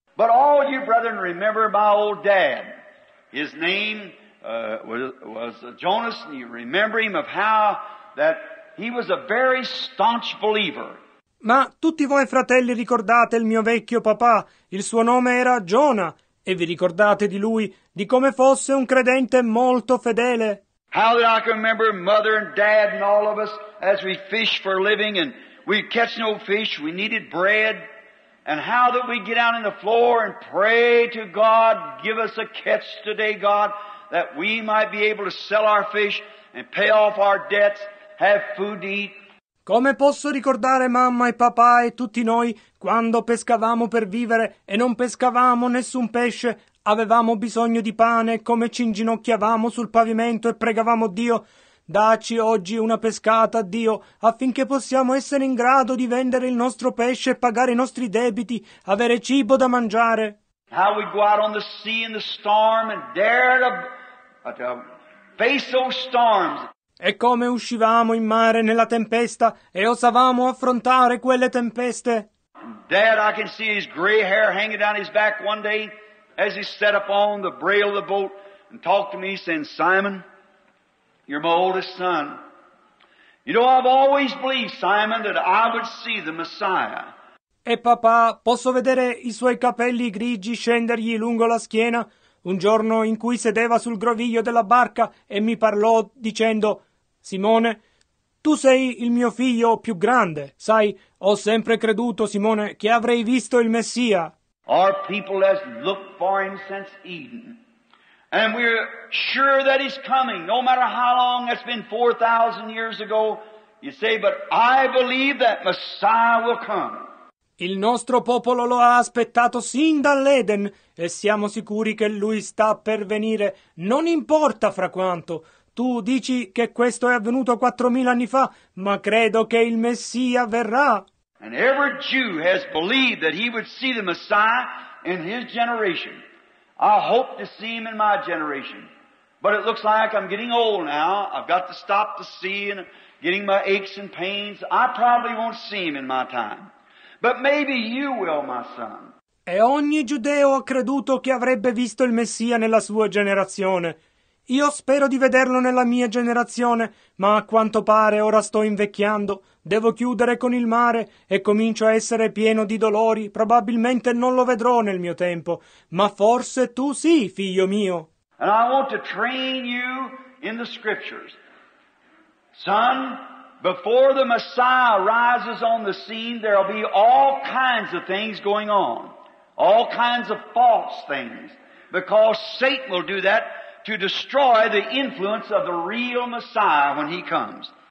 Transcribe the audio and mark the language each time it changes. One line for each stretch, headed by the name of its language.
English: But all you brethren remember my old dad. His name was Jonas, and you remember him of how that he was a very staunch believer.
Italian: Ma tutti voi fratelli ricordate il mio vecchio papà, il suo nome era Giona, e vi ricordate di lui, di come fosse un credente molto fedele.
English: How that I can remember mother and dad and all of us as we fish for a living and we catch no fish, we needed bread. And how that we get out on the floor and pray to God, give us a catch today, God, that we might be able to sell our fish and pay off our debts, have food to eat.
Italian: Come posso ricordare mamma e papà e tutti noi quando pescavamo per vivere e non pescavamo nessun pesce, avevamo bisogno di pane, come ci inginocchiavamo sul pavimento e pregavamo Dio, dacci oggi una pescata, Dio, affinché possiamo essere in grado di vendere il nostro pesce e pagare i nostri debiti, avere cibo da mangiare.
English: How we go out on the sea in the storm and dare to face those storms.
Italian: E come uscivamo in mare nella tempesta e osavamo affrontare quelle tempeste.
English: Dad, I can see his gray hair hanging down his back one day as he sat upon the rail of the boat and talked to me, saying, "Simon, you're my oldest son. You know, I've always believed, Simon, that I would see the Messiah."
Italian: E papà, posso vedere i suoi capelli grigi scendergli lungo la schiena? Un giorno in cui sedeva sul groviglio della barca e mi parlò dicendo: "Simone, tu sei il mio figlio più grande. Sai, ho sempre creduto, Simone, che avrei visto il Messia."
English: Our people has looked for him since Eden. And we're sure that he's coming, no matter how long. It's been 4,000 years ago. You say, but I believe that Messiah will come.
Italian: Il nostro popolo lo ha aspettato sin dall'Eden e siamo sicuri che lui sta per venire, non importa fra quanto. Tu dici che questo è avvenuto 4,000 anni fa, ma credo che il Messia verrà.
English: And every Jew has believed that he would see the Messiah in his generation. I hope to see him in my generation. But it looks like I'm getting old now. I've got to stop to see and getting my aches and pains. I probably won't see him in my time. But maybe you will, my son.
Italian: E ogni giudeo ha creduto che avrebbe visto il Messia nella sua generazione. Io spero di vederlo nella mia generazione, ma a quanto pare ora sto invecchiando. Devo chiudere con il mare e comincio a essere pieno di dolori. Probabilmente non lo vedrò nel mio tempo, ma forse tu sì, figlio mio.
English: And I want to train you in the scriptures. Son, before the Messiah rises on the scene, there will be all kinds of things going on. All kinds of false things. Because Satan will do that to destroy the influence of the real Messiah when he comes.